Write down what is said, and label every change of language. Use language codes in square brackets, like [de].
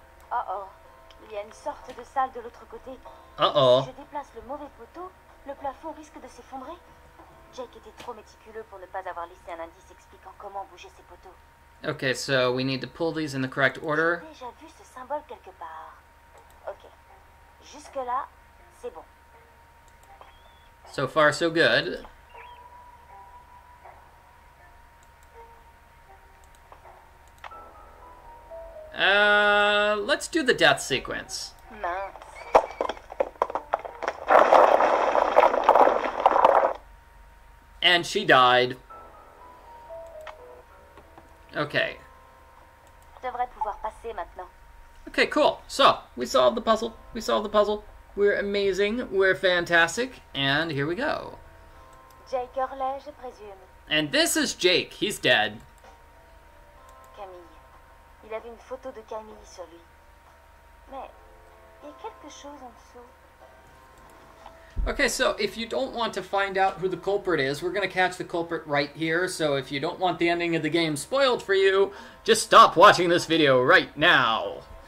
[fr] Uh-oh, il y a une sorte de salle de l'autre côté. Uh-oh. Si je déplace le mauvais poteau, le plafond risque de s'effondrer. Jake était trop méticuleux pour ne pas avoir laissé un indice expliquant comment bouger ces poteaux. [en] Okay, so we need to pull these in the correct order. [fr] J'ai déjà vu ce symbole quelque part. Okay, jusque-là, c'est bon. [en] So far, so good. Let's do the death sequence. Nice. And she died. Okay. [fr] Je devrais pouvoir passer maintenant. [en] Okay, cool. So, we solved the puzzle. We're amazing. We're fantastic. And here we go. [fr] Jake Orlais, je présume. [en] And this is Jake. He's dead. Camille. [fr] y avait une photo de Camille sur lui. Mais il y a quelque chose en dessous. [en] Okay, so if you don't want to find out who the culprit is, we're going to catch the culprit right here. So if you don't want the ending of the game spoiled for you, just stop watching this video right now.